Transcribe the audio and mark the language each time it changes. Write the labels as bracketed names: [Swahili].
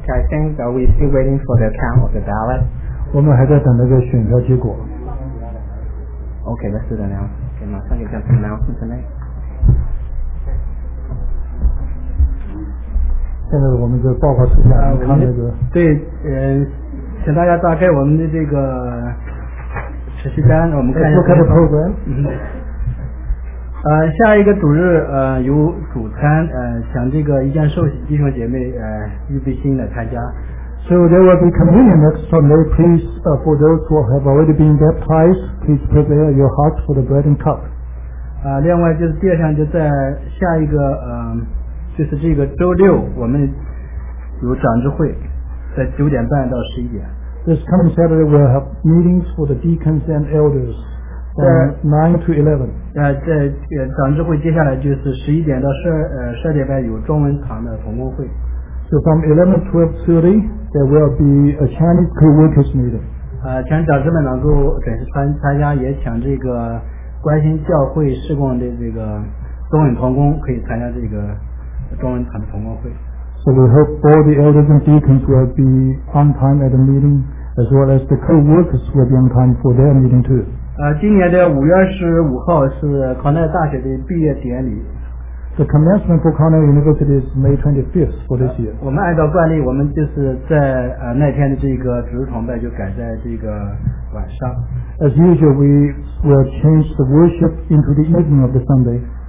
[English] think that we're still waiting for the count of the ballot. [Chinese] 我们还在等那个选票结果。 [English] Okay, let's do the announcement. Okay, [Chinese] 马上有个 [English] announcement tonight. [Chinese] 现在我们就报告时间，你看那个。对，请大家打开我们的这个实习单，我们看一下。 [English] Look at the program. [Chinese] 下一个主日有主餐，想这个一件受洗弟兄姐妹预备心来参加。 [English] So there will be communion next Sunday. Please, for those who have already been baptized, please prepare your hearts for the bread and cup. [Chinese] 另外就是第二项就在下一个，就是这个周六我们有长执会，在九点半到十一点。 [English] This coming Saturday we'll have meetings for the deacons and elders from 9 to 11. [Chinese] 在长执会接下来就是十一点到十二点半有中文堂的同工会。 [English] So from 11 to 12:30, there will be a Chinese co-workers meeting. [Chinese] 请长执们能够准时参加，也请这个关心教会事工的这个中文同工可以参加这个中文堂的同工会。 [English] So we hope all the elders and deacons will be on time at the meeting, as well as the co-workers will be on time for their meeting too. [Chinese] 今年的5月25日是康奈尔大学的毕业典礼。 [English] The commencement for Cornell University is May 25th for this year. [Chinese] 我们按照惯例，我们就是在那天的这个主日崇拜就改在这个晚上。 [English] As usual, we will change the worship into the evening of the Sunday.